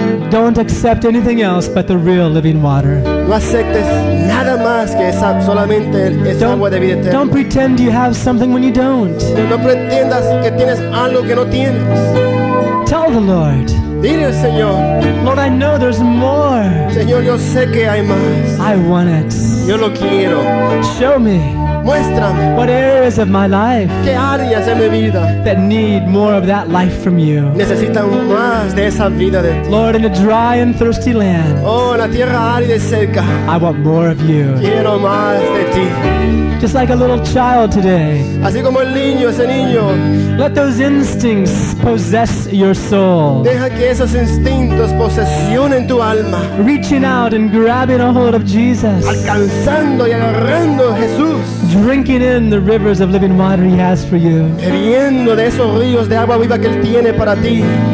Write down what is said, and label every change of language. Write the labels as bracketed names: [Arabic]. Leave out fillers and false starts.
[English] Don't accept anything else but the real living water. [Spanish] No aceptes nada más que esa, solamente esa agua de vida eterna. [English] Don't pretend you have something when you don't. [Spanish] No pretendas que tienes algo que no tienes. [English] Tell the Lord. [Spanish] Dile al Señor. [English] Lord, I know there's more. [Spanish] Señor, yo sé que hay más. [English] I want it. [Spanish] Yo lo quiero. [English] Show me. [Spanish] Muéstrame [English] what areas of my life [Spanish] qué áreas de mi vida [English] that need more of that life from you. [Spanish] Necesitan más de esa vida de ti. [English] Lord, in a dry and thirsty land, [Spanish] oh, la tierra árida y seca, [English] I want more of you. [Spanish] Quiero más de ti. [English] Just like a little child today. [Spanish] Así como el niño, ese niño. [English] Let those instincts possess your soul. [Spanish] Deja que esos instintos posesionen tu alma. [English] Reaching out and grabbing a hold of Jesus. [Spanish] Alcanzando y agarrando a Jesús. [English] Drinking in the rivers of living water he has for you. [Spanish] Bebiendo de esos ríos de agua viva que él tiene para ti.